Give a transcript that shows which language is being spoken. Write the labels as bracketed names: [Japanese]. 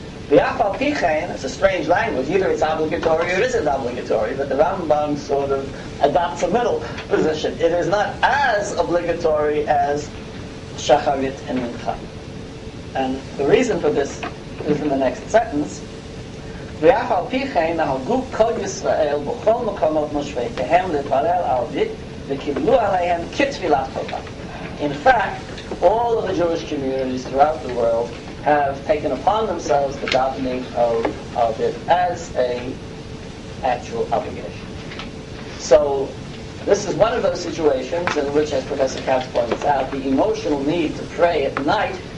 [English] The Afal Pichein, it's a strange language, either it's obligatory or it isn't obligatory, but the Rambam sort of adopts a middle position. It is not as obligatory as Shacharit and Mincha. And the reason for this is in the next sentence. [Hebrew] ואף על פי כן נהגו כל ישראל בכל מקומות מושבתיהם לפלל ערבית וקיבלו עליהם כתפילת חובה. [English] In fact, all of the Jewish communities throughout the world have taken upon themselves the davening of it as an actual obligation. So this is one of those situations in which, as Professor Katz points out, the emotional need to pray at night